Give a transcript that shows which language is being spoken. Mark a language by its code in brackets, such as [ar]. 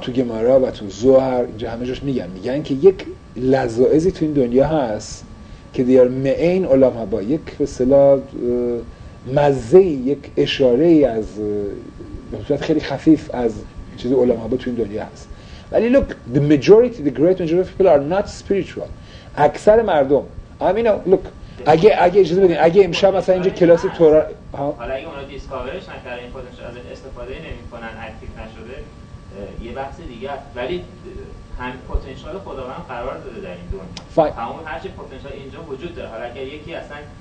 [fa] تو گمارا و تو زوهر اینجا همه جاش میگن که یک لذائذی تو این دنیا هست که دیار معین علام هبا، یک به اصطلاح مزه، یک اشاره ای از به صورت خیلی خفیف از چیز علام هبا تو این دنیا هست. [en] ولی look, the great majority of people are not spiritual. [fa] اکثر مردم، I mean, look, اگه اجازه بدین، اگه امشب مثلا اینجا کلاس تورا، حالا اگه اونا دیسکاورش نکردن، خودشون از استفاده نمی‌کنن، اکتیو نشده، یه بحث دیگه است. ولی هم پتانسیل خداوند قرار داده در این دنیا. تمام هر چی پتانسیل اینجا وجود داره. حالا اگه یکی اصلا